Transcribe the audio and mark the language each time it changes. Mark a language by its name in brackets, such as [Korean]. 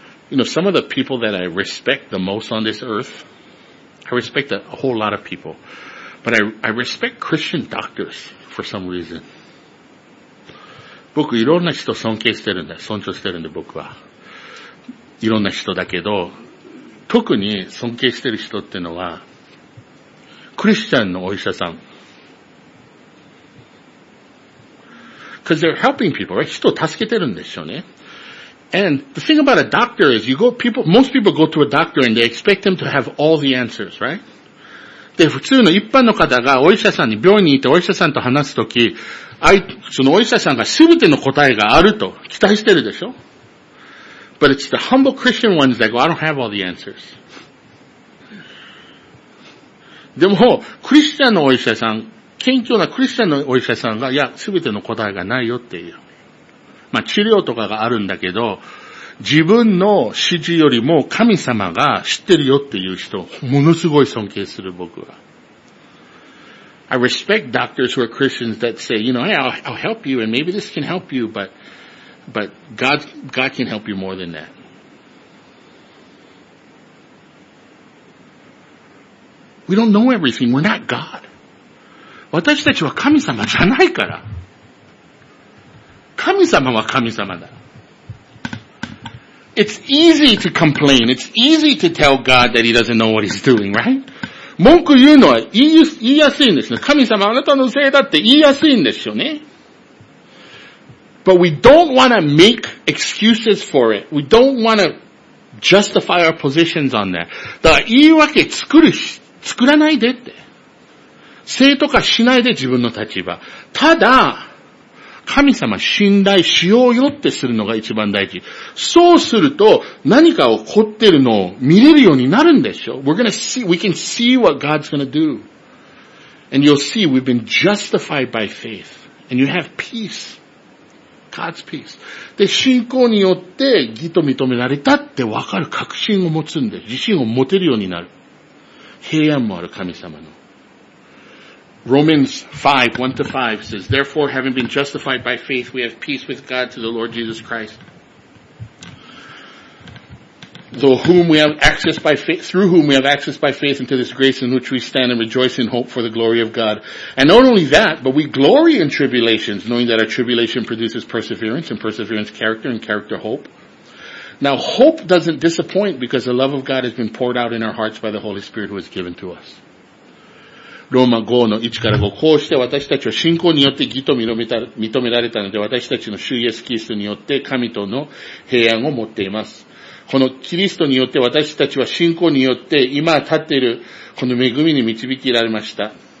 [English] You know, some of the people that I respect the most on this earth, I respect a whole lot of people, but I respect Christian doctors for some reason. [Japanese] 僕いろんな人尊敬してるんだ、尊重してるんだ、僕は。いろんな人だけど、特に尊敬してる人っていうのは、クリスチャンのお医者さん。 [English] Because they're helping people, right? [Japanese] 人を助けてるんでしょうね。 [English] And the thing about a doctor is, most people go to a doctor and they expect them to have all the answers, right? [Japanese] で、普通の一般の方がお医者さんに、病院に行ってお医者さんと話すとき、そのお医者さんが全ての答えがあると期待してるでしょ ? [English] But it's the humble Christian ones that go, I don't have all the answers. [Japanese] でも、クリスチャンのお医者さん、謙虚なクリスチャンのお医者さんが、いや、すべての答えがないよっていう。まあ、治療とかがあるんだけど、自分の指示よりも神様が知ってるよっていう人、ものすごい尊敬する僕は。 [English] I respect doctors who are Christians that say, you know, hey, I'll help you and maybe this can help you, but God can help you more than that. We don't know everything. We're not God. [Japanese] 私たちは神様じゃないから。神様は神様だ。 [English] It's easy to complain. It's easy to tell God that he doesn't know what he's doing, right? [Japanese] 文句言うのは言いやすいんですね。神様あなたのせいだって言いやすいんですよね。 [English] But we don't want to make excuses for it. We don't want to justify our positions on that. [Japanese] だから言い訳作らないでって。正当化しないで自分の立場。ただ、神様信頼しようよってするのが一番大事。そうすると何か起こってるのを見れるようになるんでしょ。 [English] We're gonna see, we can see what God's gonna do. And you'll see we've been justified by faith. And you have peace. God's peace. [Japanese] で、信仰によって義と認められたってわかる確信を持つんで、自信を持てるようになる。平安もある神様の。 [English] Romans 5:1-5 says, Therefore, having been justified by faith, we have peace with God through the Lord Jesus Christ. Through whom we have access by faith into this grace in which we stand and rejoice in hope for the glory of God. And not only that, but we glory in tribulations, knowing that our tribulation produces perseverance, and perseverance character, and character hope. Now, hope doesn't disappoint because the love of God has been poured out in our hearts by the Holy Spirit who has given to us. [Japanese] ローマ5の1から5。こうして私たちは信仰によって義と認められたので、私たちの主イエスキリストによって神との平安を持っています。このキリストによって私たちは信仰によって今立っているこの恵みに導きられました。